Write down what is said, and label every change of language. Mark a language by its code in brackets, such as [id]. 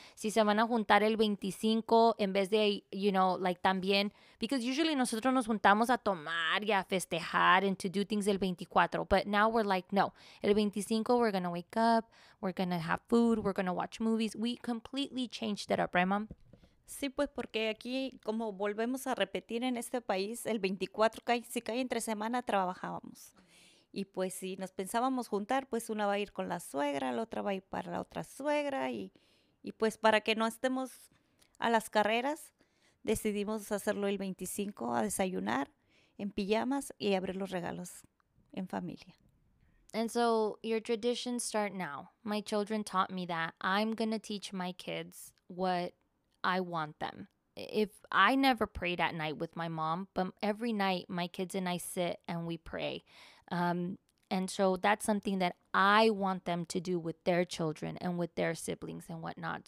[es] Si se van a juntar el 25 en vez de, [en] you know, like [es] también, [en] because usually [es] nosotros nos juntamos a tomar y a festejar [en] and to do things [es] el 24. [en] But now we're like, no, el 25 we're going to wake up, we're going to have food, we're going to watch movies. We completely changed it up, right, mom? [es] Sí, pues porque aquí, como volvemos a repetir en este país, el 24, si cae entre semana, trabajábamos. Y pues si nos pensábamos juntar, pues una va a ir con la suegra, la otra va a ir para la otra suegra. Y pues para que no estemos a las carreras, decidimos hacerlo el 25 a desayunar en pijamas y abrir los regalos en familia. [en] And so your traditions start now. My children taught me that. I'm going to teach my kids what I want them. If I never prayed at night with my mom, but every night my kids and I sit and we pray. And so that's something that I want them to do with their children and with their siblings and whatnot.